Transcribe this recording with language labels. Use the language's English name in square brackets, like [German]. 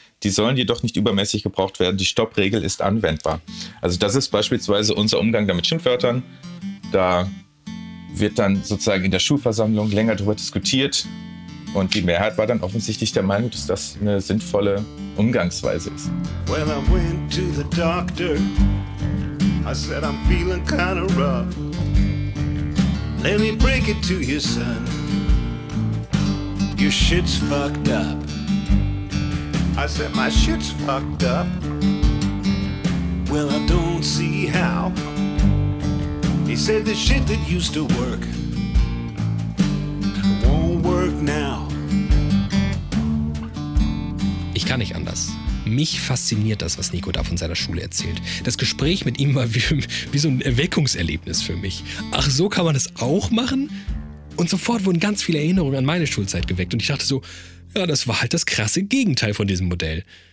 [German] Die sollen jedoch nicht übermäßig gebraucht werden. Die Stoppregel ist anwendbar. Also das ist beispielsweise unser Umgang mit Schimpfwörtern. Da wird dann sozusagen in der Schulversammlung länger darüber diskutiert. Und die Mehrheit war dann offensichtlich der Meinung, dass das eine sinnvolle Umgangsweise ist. [English] Well, I went to the doctor. I said I'm feeling kind of rough. Let me break it to you, son. Your shit's fucked up. I said, my shit's fucked up. Well, I don't see how. He said, the shit that used to work won't work now. [German] Ich kann nicht anders. Mich fasziniert das, was Nico da von seiner Schule erzählt. Das Gespräch mit ihm war wie so ein Erweckungserlebnis für mich. Ach, so kann man das auch machen? Und sofort wurden ganz viele Erinnerungen an meine Schulzeit geweckt und ich dachte so, ja, das war halt das krasse Gegenteil von diesem Modell.